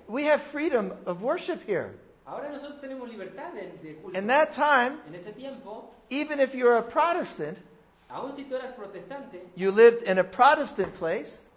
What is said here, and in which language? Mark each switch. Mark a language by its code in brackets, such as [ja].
[en] We have freedom of worship here. [es] Ahora nosotros tenemos libertad de culto. [en] In that time, [es] en ese tiempo, [en] even if you're a Protestant, [es] aun si tú eras protestante, [en] you lived in a Protestant place,